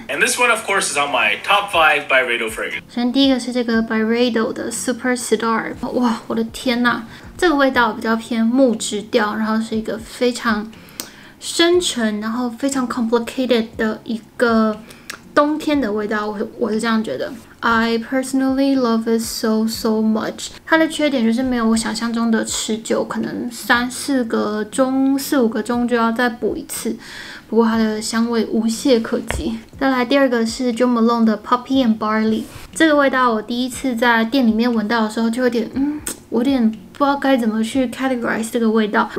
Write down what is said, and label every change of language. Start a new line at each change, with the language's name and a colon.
English: And this one of course is on my top 5 Byredo fragrance。
Chinese: 首先第一个是这个 Byredo 的 Super Star， 哇我的天哪，这个味道比较偏木质调，然后是一个非常深沉然后非常 complicated 的一个冬天的味道， 我是这样觉得。
English: I personally love it so so much.
Chinese: 它的缺点就是没有我想象中的持久，可能四五个钟就要再补一次。不过它的香味无懈可击。再来第二个是 Jo Malone 的 Poppy and Barley， 这个味道我第一次在店里面闻到的时候就有点不知道该怎么去 categorize 这个味道。